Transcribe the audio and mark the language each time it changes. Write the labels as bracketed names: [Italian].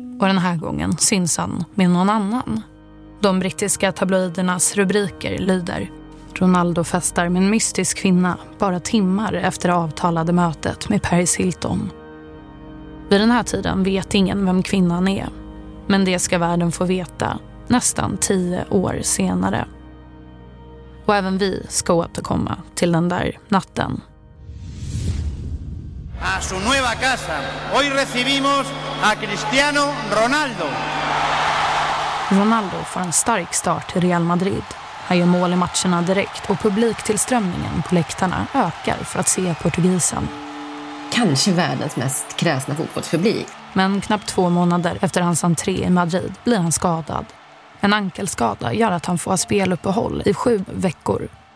[Swedish] Och den här gången syns han med någon annan. De brittiska tabloidernas rubriker lyder: Ronaldo festar med en mystisk kvinna bara timmar efter avtalade mötet med Paris Hilton. Vid den här tiden vet ingen vem kvinnan är. Men det ska världen få veta nästan 10 år senare. Och även vi ska återkomma till den där natten. [Spanish] A su nueva casa. Hoy recibimos a Cristiano Ronaldo. [Swedish] Ronaldo får en stark start i Real Madrid. Han gör mål i matcherna direkt och publiktillströmningen på läktarna ökar för att se portugisen. Kanske världens mest kräsna fotbollspublik. Men knappt 2 månader efter hans entré i Madrid blir han skadad. En ankelskada gör att han får ha speluppehåll i 7 veckor.